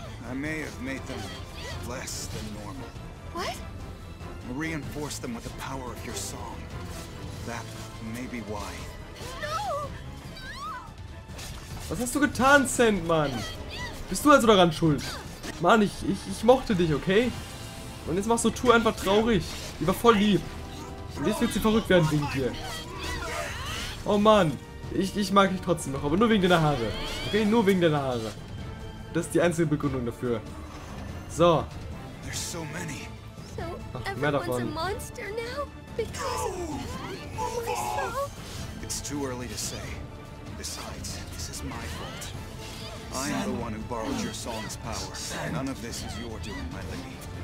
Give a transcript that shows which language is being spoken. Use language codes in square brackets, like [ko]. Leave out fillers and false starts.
[en] I may have made them less than normal. What? Reinforce them with the power of your song. That may be why. No! [de] Was hast du getan, Sandman? Bist du also daran schuld? Mann, ich mochte dich, okay? Und jetzt machst du Tour einfach traurig. Die war voll lieb. Und jetzt wird sie verrückt werden wegen dir. Oh Mann, ich mag dich trotzdem noch, aber nur wegen deiner Haare. Okay, nur wegen deiner Haare. Das ist die einzige Begründung dafür. So. [en] There's so many. [de] Ach, mehr davon. [en] A monster now because of my soul. It's too early to say. Besides, this is my fault. I am the one who borrowed your song's power. None of this is your doing, my lady.